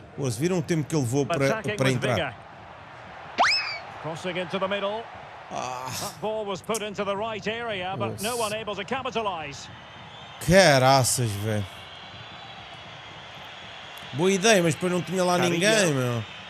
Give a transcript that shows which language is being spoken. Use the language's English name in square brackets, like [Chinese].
[Portuguese] Pô, se viram o tempo que ele levou para entrar. [English] Crossing into the middle. Ball was put into the right area, but no one able to capitalize. [Portuguese] Caraças, velho. Boa ideia, mas depois não tinha lá ninguém, meu.